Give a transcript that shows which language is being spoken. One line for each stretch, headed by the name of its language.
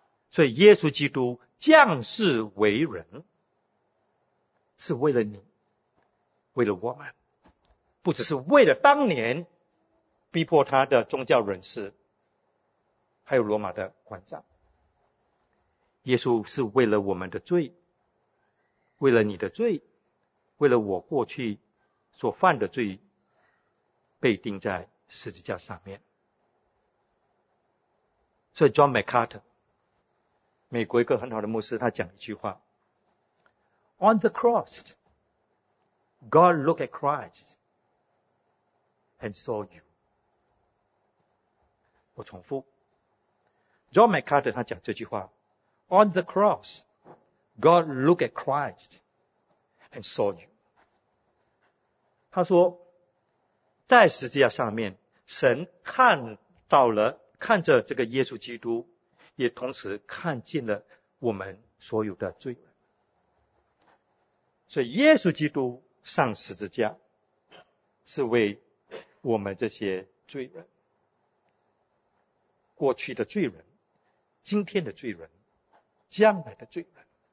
Chinese: 所以耶稣基督降世为人是为了你，为了我们，不只是为了当年逼迫他的宗教人士还有罗马的官长。耶稣是为了我们的罪，为了你的罪，为了我过去所犯的罪被钉在十字架上面。所以 John MacArthur 美国一个很好的牧师，他讲一句话，
English: On the cross God looked at Christ and saw you。
Chinese: 我重复
English: John MacArthur
Chinese: 他讲这句话，
English: On the cross God looked at Christ and saw you。
Chinese: 他说在十字架上面神看到了，看着这个耶稣基督，也同时看见了我们所有的罪。所以耶稣基督上十字架是为我们这些罪人，过去的罪人，今天的罪人，将来的罪人。